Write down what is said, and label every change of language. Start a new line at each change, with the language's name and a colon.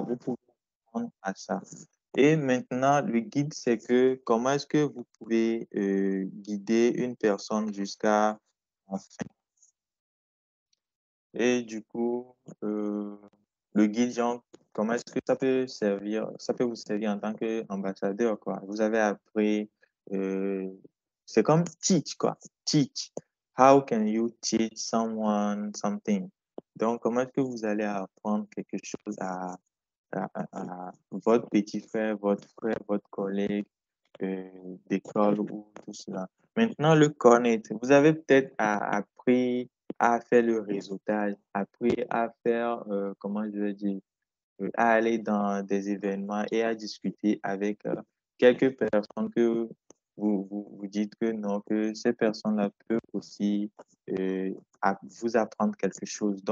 French: Vous pouvez répondre à ça. Et maintenant, le guide, c'est que comment est-ce que vous pouvez guider une personne jusqu'à la fin? Et du coup, le guide, genre, comment est-ce que ça peut servir? Ça peut vous servir en tant qu'ambassadeur, quoi. Vous avez appris, c'est comme teach, quoi.
English: Teach. How can you teach someone something?
French: Donc, comment est-ce que vous allez apprendre quelque chose à votre petit frère, votre collègue d'école ou tout cela? Maintenant, le connaître. Vous avez peut-être appris à faire le réseautage, appris à faire, comment je vais dire, à aller dans des événements et à discuter avec quelques personnes que vous dites que non, que ces personnes-là peuvent aussi vous apprendre quelque chose.